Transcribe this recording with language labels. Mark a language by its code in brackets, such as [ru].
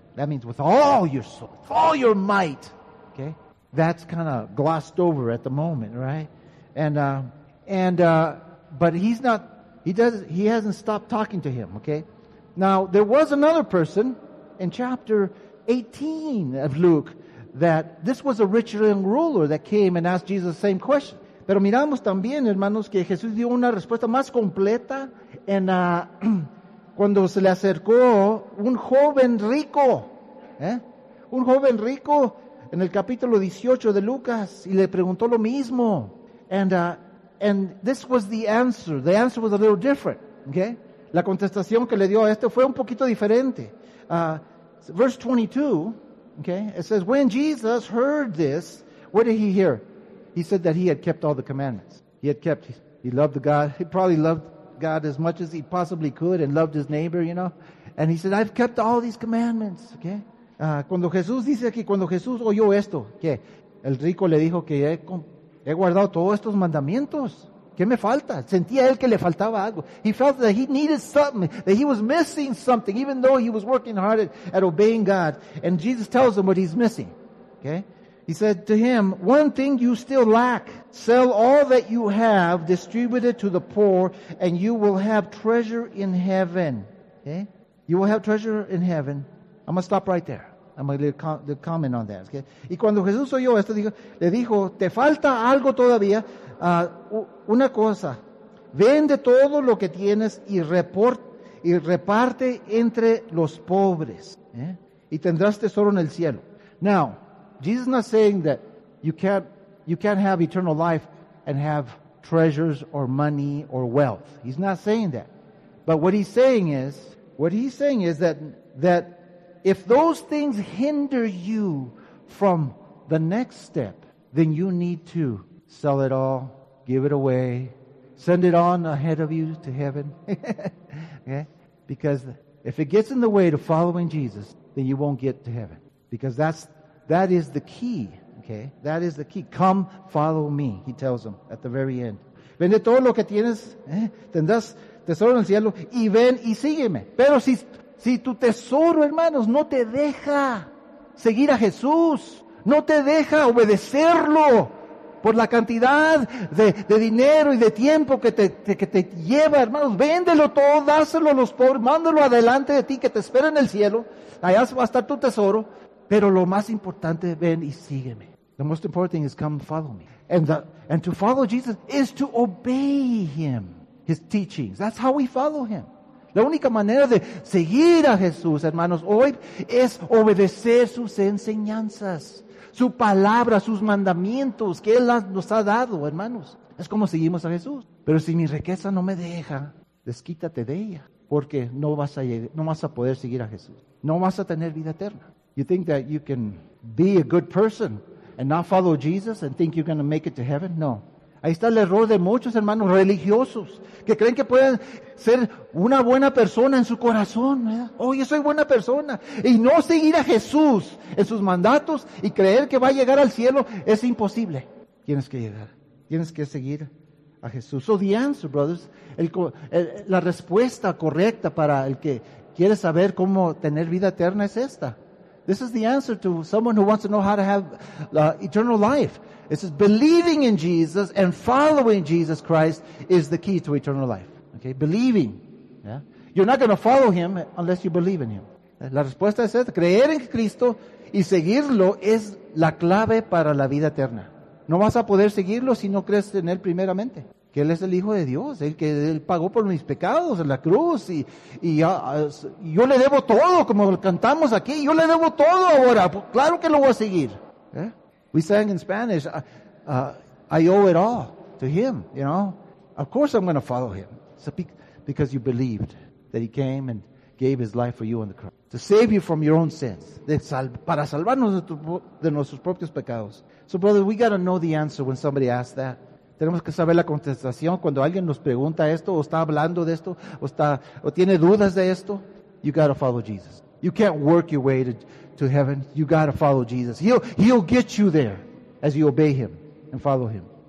[en] That means with all your soul, with all your might. Okay, that's kind of glossed over at the moment, right? But he's not. He hasn't stopped talking to him. Okay, now there was another person in chapter 18 of Luke that this was a rich young ruler that came and asked Jesus the same question. [es] Pero miramos también, hermanos, que Jesús dio una respuesta más completa en cuando se le acercó un joven rico, un joven rico en el capítulo 18 de Lucas y le preguntó lo mismo. [en] And this was the answer. The answer was a little different. Okay? [es] La contestación que le dio a este fue un poquito diferente. [en] Verse 22, okay? It says, when Jesus heard this, what did he hear? He said that he had kept all the commandments. He loved God. He probably loved God as much as he possibly could and loved his neighbor, you know. And he said, I've kept all these commandments. Okay? [es] Cuando Jesús dice aquí, cuando Jesús oyó esto, que el rico le dijo que he guardado todos estos mandamientos. ¿Qué me falta? Sentía él que le faltaba algo. [en] He felt that he needed something, that he was missing something, even though he was working hard at obeying God. And Jesus tells him what he's missing. Okay? He said to him, one thing you still lack, sell all that you have, distribute it to the poor, and you will have treasure in heaven. Okay? You will have treasure in heaven. I'm going to stop right there. I'm going to comment on that. Okay? [es] Y cuando Jesús oyó esto, le dijo, te falta algo todavía, una cosa, vende todo lo que tienes y reparte entre los pobres. ¿Eh? Y tendrás tesoro en el cielo. [en] Now, Jesus is not saying that you can't have eternal life and have treasures or money or wealth. He's not saying that. But what he's saying is that if those things hinder you from the next step, then you need to sell it all, give it away, send it on ahead of you to heaven. Okay? Because if it gets in the way to following Jesus, then you won't get to heaven. Because that is the key, okay? That is the key. Come, follow me, he tells them at the very end. [es] Vende todo lo que tienes, tendrás tesoro en el cielo, y ven y sígueme. Pero si tu tesoro, hermanos, no te deja seguir a Jesús, no te deja obedecerlo por la cantidad de dinero y de tiempo que te lleva, hermanos, véndelo todo, dáselo a los pobres, mándalo adelante de ti que te espera en el cielo, allá va a estar tu tesoro. Pero lo más importante, ven y sígueme. [en] The most important thing is come follow me. And to follow Jesus is to obey him, his teachings. That's how we follow him. [es] La única manera de seguir a Jesús, hermanos, hoy es obedecer sus enseñanzas, su palabra, sus mandamientos que él nos ha dado, hermanos. Es como seguimos a Jesús. Pero si mi riqueza no me deja, desquítate de ella, porque no vas a poder seguir a Jesús. No vas a tener vida eterna. [en] You think that you can be a good person and not follow Jesus and think you're going to make it to heaven? No. [es] Ahí está el error de muchos hermanos religiosos que creen que pueden ser una buena persona en su corazón. ¿Verdad? Oh, yo soy buena persona. Y no seguir a Jesús en sus mandatos y creer que va a llegar al cielo es imposible. Tienes que llegar. Tienes que seguir a Jesús. [en] So the answer, brothers, [es] la respuesta correcta para el que quiere saber cómo tener vida eterna es esta. [en] This is the answer to someone who wants to know how to have eternal life. It says, believing in Jesus and following Jesus Christ is the key to eternal life. Okay, believing. Yeah? You're not going to follow him unless you believe in him. [es] La respuesta es esta. Creer en Cristo y seguirlo es la clave para la vida eterna. No vas a poder seguirlo si no crees en Él primeramente, que Él es el Hijo de Dios, el que Él pagó por mis pecados en la cruz, y yo le debo todo, como cantamos aquí, yo le debo todo ahora, pues claro que lo voy a seguir. [en] We sang in Spanish, I owe it all to Him, you know. Of course I'm going to follow Him. Because you believed that He came and gave His life for you on the cross. To save you from your own sins. [es] Para salvarnos de nuestros propios pecados. [en] So brother, we got to know the answer when somebody asks that. [es] Tenemos que saber la contestación cuando alguien nos pregunta esto, o está hablando de esto, o tiene dudas de esto. [en] You got to follow Jesus. You can't work your way to heaven. You got to follow Jesus. He'll get you there as you obey Him and follow Him.